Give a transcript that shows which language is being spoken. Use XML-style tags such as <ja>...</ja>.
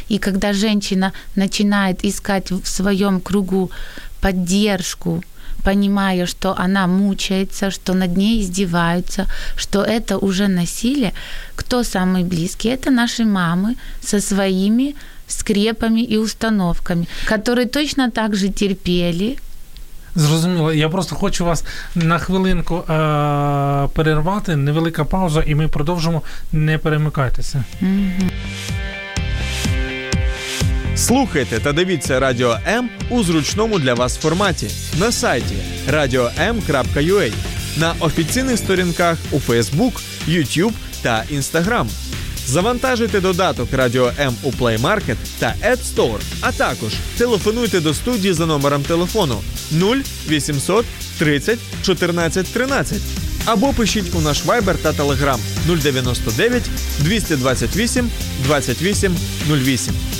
<ru>И когда женщина начинает искать в своем кругу поддержку, понимая, что она мучается, что над ней издеваются, что это уже насилие, кто самый близкий? Это наши мамы со своими скрепами и установками, которые точно так же терпели.</ru> <uk>Зрозуміло. Я просто хочу вас на хвилинку перервати. Невелика пауза, і ми продовжимо. Не перемикайтеся. Слухайте та дивіться Радіо М у зручному для вас форматі. На сайті radio.m.ua, на офіційних сторінках у Facebook, YouTube та Instagram. Завантажуйте додаток Радіо М у Play Market та App Store, а також телефонуйте до студії за номером телефону 0800 30 14 13 або пишіть у наш Viber та Telegram 099 228 28 08.</uk>